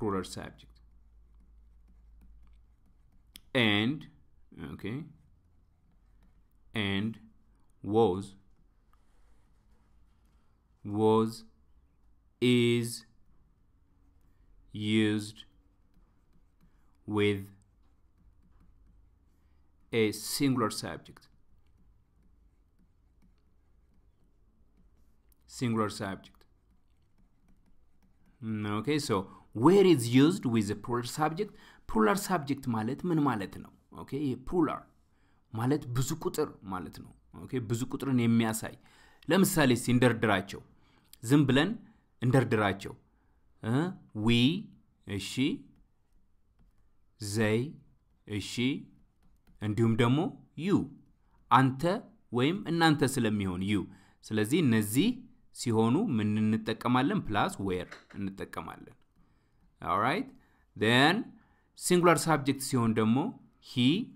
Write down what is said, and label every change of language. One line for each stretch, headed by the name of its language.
English: subject and was is used with a singular subject. Singular subject. Okay, so where is used with the plural subject?
Amharic: Plural subject ማለት ምን ማለት ነው? Okay, plural ማለት ብዙ ቁጥር ማለት ነው። Okay, ብዙ ቁጥርን የሚያሳይ። ለምሳሌ እንደርድራቸው ዝም ብለን እንደርድራቸው we እሺ they እሺ እንዲሁም ደግሞ you አንተ ወይም እናንተ ስለሚሆን you ስለዚህ እነዚህ ሲሆኑ ምን እንጠቀማለን plus where እንጠቀማለን all right then singular subject ሲሆን ደግሞ he